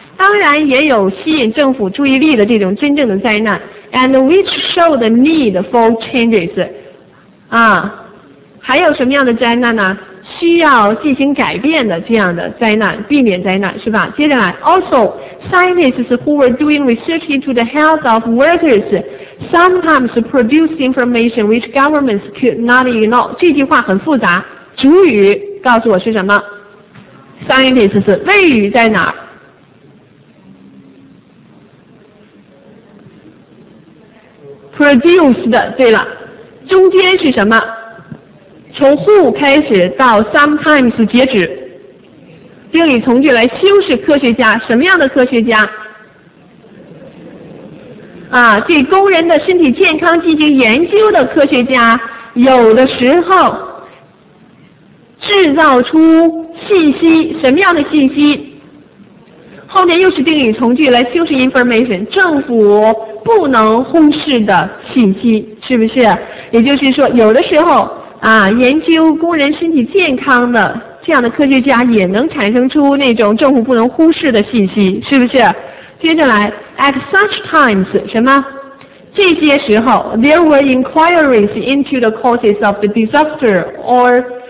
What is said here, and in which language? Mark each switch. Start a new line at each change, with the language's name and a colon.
Chinese: 当然也有吸引政府注意力的这种真正的灾难。
English: And which show the need for changes，
Chinese: 啊，还有什么样的灾难呢？需要进行改变的这样的灾难，避免灾难是吧？接下来
English: ，Also scientists who were doing research into the health of workers sometimes produced information which governments could not ignore。
Chinese: 这句话很复杂，主语告诉我是什么？ Scientists 是位于在哪儿？ Produced， 对了，中间是什么？从 who 开始到 sometimes 截止。定语从句来修饰科学家，什么样的科学家？啊，对工人的身体健康进行研究的科学家，有的时候制造出信息，什么样的信息？后面又是定语从句来修饰 information， 政府不能忽视的信息，是不是？也就是说，有的时候啊，研究工人身体健康的这样的科学家也能产生出那种政府不能忽视的信息，是不是？接着来 ，
English: at such times
Chinese: 什么？这些时候
English: ，there were inquiries into the causes of the disaster or。